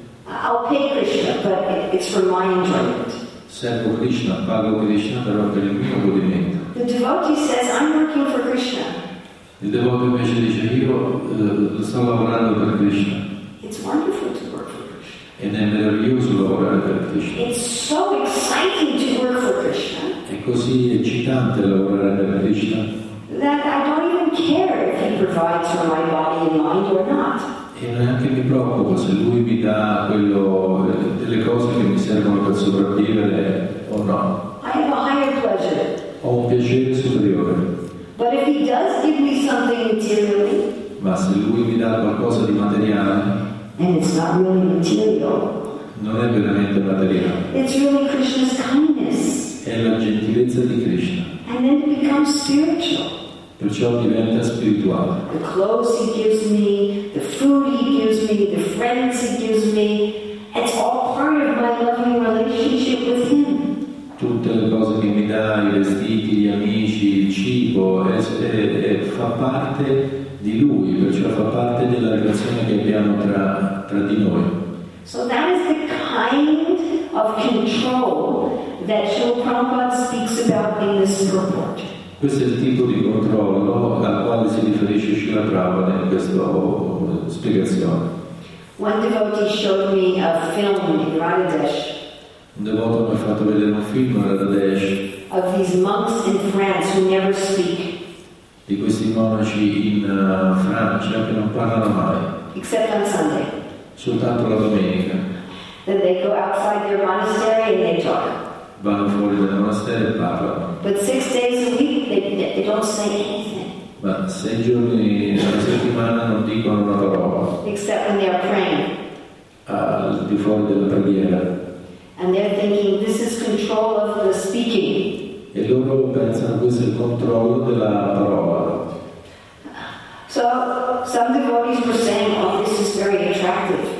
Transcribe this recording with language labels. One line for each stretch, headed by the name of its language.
English: I'll pay Krishna, but it's for my enjoyment.
Italian: Servo Krishna, pago Krishna, però per il mio godimento.
English: The devotee says, I'm working for Krishna.
Italian: Il devoto invece dice, io sto lavorando per Krishna.
English: It's wonderful to work for Krishna.
Italian: Ed è meraviglioso lavorare per Krishna.
English: It's so exciting to work for Krishna.
Italian: È così eccitante lavorare per Krishna.
English: That I don't even care if he provides for my body and mind or not.
Italian: E neanche mi preoccupo se lui mi dà quello, delle cose che mi servono per sopravvivere o no.
English: I have a higher pleasure.
Italian: Ho un piacere superiore.
English: But if he does give me something materially,
Italian: ma se lui mi dà qualcosa di materiale,
English: and it's not really material,
Italian: non è veramente materiale.
English: It's really Krishna's kindness.
Italian: È la gentilezza di Krishna.
English: And then it becomes spiritual.
Italian: Perciò diventa spirituale.
English: The clothes he gives me, the food he gives me, the friends he gives me, it's all part of my loving relationship with him.
Italian: Tutte le cose che mi dà, i vestiti, gli amici, il cibo, fa parte di lui, perciò fa parte della relazione che abbiamo tra di noi.
English: So that is the kind of control that Srila Prabhupada speaks about in this report.
Italian: Questo è il tipo di controllo al quale si riferisce Srila Prabhupada in questa spiegazione.
English: One devotee showed me a film in Radhadesh.
Italian: Un devoto mi ha fatto vedere un film a Radhadesh.
English: Of these monks in France who never speak.
Italian: Di questi monaci in Francia che non parlano mai.
English: Except on Sunday.
Italian: Soltanto la domenica.
English: Then they go outside their monastery and they talk.
Italian: Vanno fuori dal monastero e parlano.
English: But 6 days a week they don't say anything.
Italian: Ma 6 giorni alla settimana non dicono una parola.
English: Except when they are praying.
Italian: Al di fuori della preghiera.
English: And they're thinking this is control of the speaking.
Italian: E loro pensano questo è il controllo della parola.
English: So some devotees were saying, oh, this is very attractive.